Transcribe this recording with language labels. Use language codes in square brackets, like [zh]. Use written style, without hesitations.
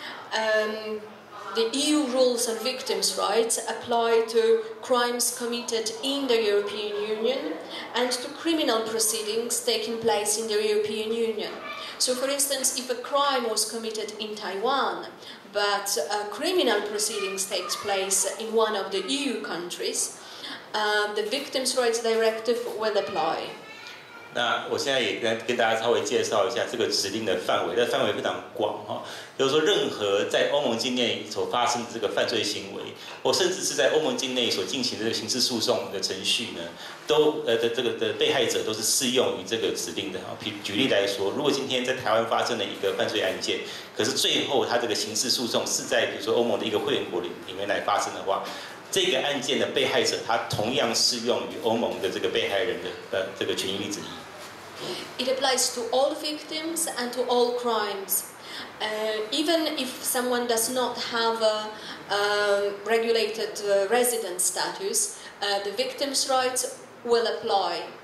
[en] The EU rules on victims' rights apply to crimes committed in the European Union and to criminal proceedings taking place in the European Union. So, for instance, if a crime was committed in Taiwan, but a criminal proceedings takes place in one of the EU countries, the Victims' Rights Directive will apply. [zh] 那我现在也跟大家稍微介绍一下这个指令的范围，这范围非常广哈，就是说任何在欧盟境内所发生的这个犯罪行为，或甚至是在欧盟境内所进行的这个刑事诉讼的程序呢，都的被害者都是适用于这个指令的哈。举例来说，如果今天在台湾发生了一个犯罪案件，可是最后他这个刑事诉讼是在比如说欧盟的一个会员国里面来发生的话。这个案件的被害者，他同样适用于欧盟的这个被害人的这个权益指引。 [en] It applies to all victims and to all crimes. Even if someone does not have a regulated resident status, the victim's rights will apply.